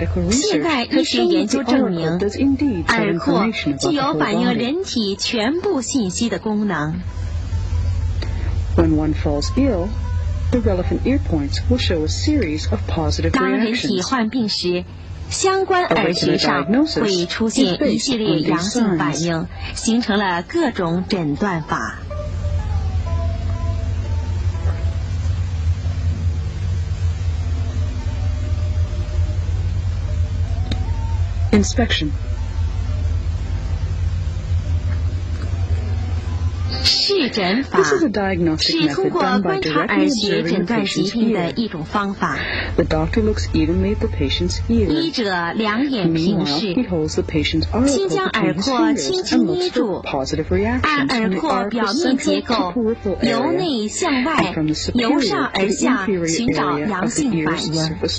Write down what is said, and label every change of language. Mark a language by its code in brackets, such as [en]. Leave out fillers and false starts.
[zh] 现代医学研究证明，耳廓具有反映人体全部信息的功能。 [en] When one falls ill, the relevant ear points will show a series of positive reactions. [zh] 当人体患病时，相关耳穴上会出现一系列阳性反应，形成了各种诊断法。 [en] Inspection. [zh] 视诊法是通过观察耳穴诊断疾病的一种方法。 [en] The doctor looks evenly at the patient's ear. [zh] 医者两眼平视，先将耳廓轻轻捏住，按耳廓表面结构由内向外、由上而下寻找阳性反应。